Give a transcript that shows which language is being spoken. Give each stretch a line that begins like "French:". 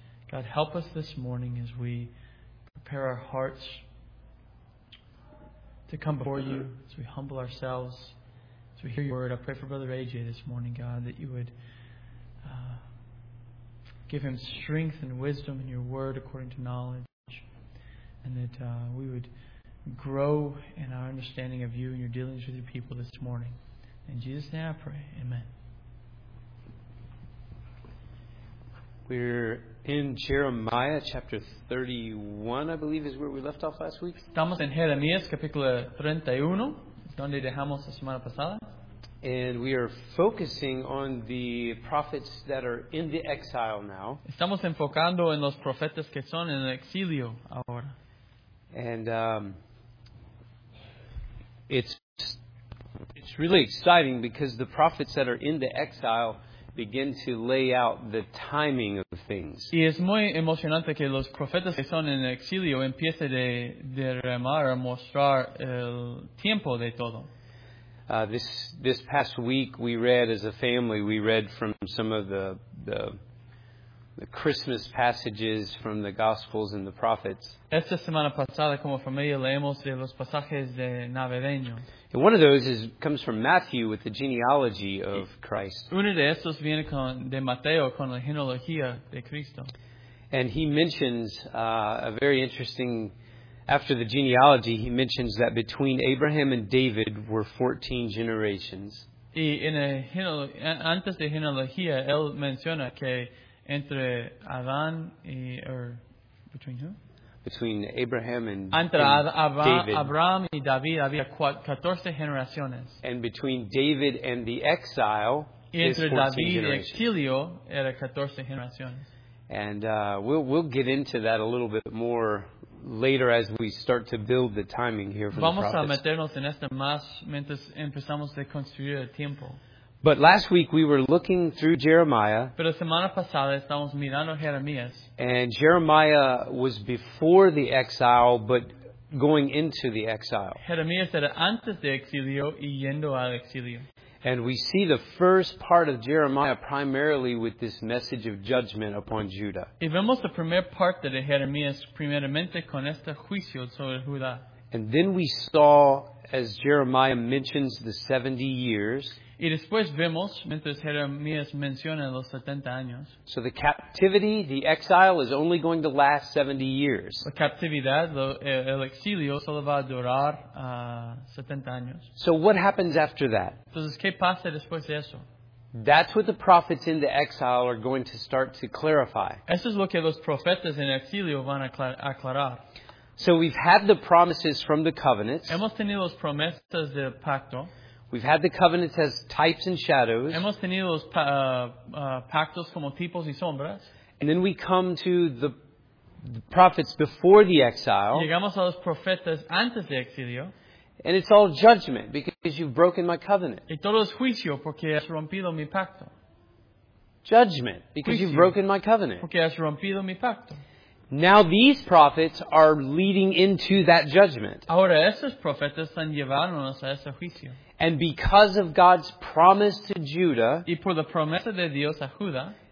English: God, help us this morning as we prepare our hearts to come before you, as we humble ourselves, as we hear your word. I pray for Brother AJ this morning, God, that you would give him strength and wisdom in your word according to knowledge, and that we would grow in our understanding of you and your dealings with your people this morning. In Jesus' name I pray, amen. We're in Jeremiah chapter 31, I believe, is where we left off last week.
Spanish: Estamos en Jeremías capítulo 31, donde dejamos la semana pasada.
English: And we are focusing on the prophets that are in the exile now.
Spanish: Estamos enfocando en los profetas que son en el exilio ahora.
English: And it's really exciting because the prophets that are in the exile begin to lay out the timing of things.
Spanish: Y es muy emocionante que los profetas que son en exilio empiecen de remar a mostrar el tiempo de todo.
English: This past week we read as a family, we read from some of the Christmas passages from the Gospels and the prophets.
Spanish: Esta semana pasada como familia leemos de los pasajes de navideño.
English: And one of those comes from Matthew with the genealogy of Christ.
Spanish: Uno de estos viene de Mateo con la genealogía de Cristo.
English: And he mentions a very interesting, after the genealogy, he mentions that between Abraham and David were 14 generations.
Spanish: Y en la antes de genealogía, él menciona que entre Adán y,
English: or between who? Between Abraham and
Spanish: entre David. Abraham y David había 14 generaciones.
English: And between David and the exile,
Spanish: y entre David y el exilio, era 14 generaciones.
English: And we'll get into that a little bit more later as we start to build the timing here for
Spanish: Vamos
English: the prophets.
Spanish: Vamos a meternos en esto más mientras empezamos a construir el tiempo.
English: But last week we were looking through Jeremiah.
Spanish: Pero semana pasada estábamos mirando Jeremías.
English: And Jeremiah was before the exile, but going into the exile.
Spanish: Jeremías era antes de exilio y yendo al exilio.
English: And we see the first part of Jeremiah primarily with this message of judgment upon Judah.
Spanish: Y vemos la primera parte de Jeremías primeramente con este juicio sobre Judá.
English: And then we saw, as Jeremiah mentions, the 70 years.
Spanish: Y después vemos, mientras Jeremías menciona los 70 años.
English: So the captivity, the exile, is only going to last 70 years.
Spanish: La captividad, el exilio, solo va a durar 70 años.
English: So what happens after that?
Spanish: Entonces, ¿qué pasa después de eso?
English: That's what the prophets in the exile are going to start to clarify.
Spanish: Eso es lo que los profetas en exilio van a aclarar.
English: So we've had the promises from the covenants.
Spanish: Hemos tenido las promesas del pacto.
English: We've had the covenants as types and shadows.
Spanish: Hemos tenido los pactos como tipos y sombras.
English: And then we come to the prophets before the exile.
Spanish: Llegamos a los profetas antes del exilio.
English: And it's all judgment because you've broken my covenant.
Spanish: Y todo es juicio porque has rompido mi pacto.
English: Judgment because
Spanish: juicio
English: you've broken my covenant.
Spanish: Porque has rompido mi pacto.
English: Now these prophets are leading into that judgment.
Spanish: Ahora estos profetas están llevándonos a ese juicio.
English: And because of God's promise to Judah,
Spanish: y por la promesa de Dios a Judá,